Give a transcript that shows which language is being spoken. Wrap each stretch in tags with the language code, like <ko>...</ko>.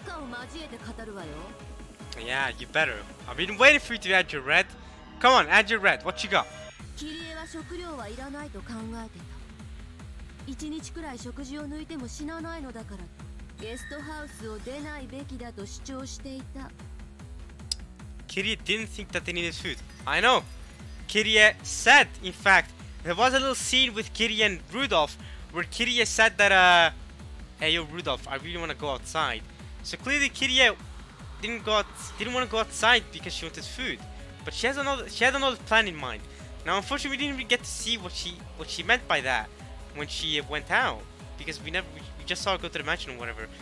<ja>翌日まで食事を抜く覚悟さえあった。けれど、結局3人は食料を求めて外へ出るわ。そうだな。結局3人は食料を取りに表へ出る。面倒だから赤を交えて語るわよ。</ja> <en>Yeah, you better. I've been waiting for you to add your red. Come on, add your red. What you got?</en> <ja>食料はいらないと考えてた。1日くらい食事を抜いても死なないのだから、ゲストハウスを出ないべきだと主張していた。Kyrie</ja> <en>didn't think that they needed food. I know. Kyrie said, in fact, there was a little scene with Kyrie and Rudolph where Kyrie said that hey yo Rudolph, I really want to go outside. So clearly Kyrie didn't want to go outside because she wanted food. But she had another plan in mind. Now, unfortunately, we didn't really get to see what she meant by that when she went out, because we just saw her go to the mansion or whatever.</en>